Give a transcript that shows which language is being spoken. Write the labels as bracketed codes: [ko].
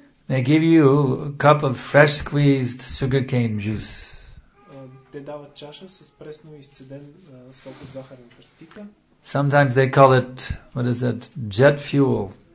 [en] They give you a cup of fresh squeezed sugarcane juice. [bg] Те дават чаша с пресно изцеден сок от захарна тръстика. [en] Sometimes they call it, what is it, jet fuel.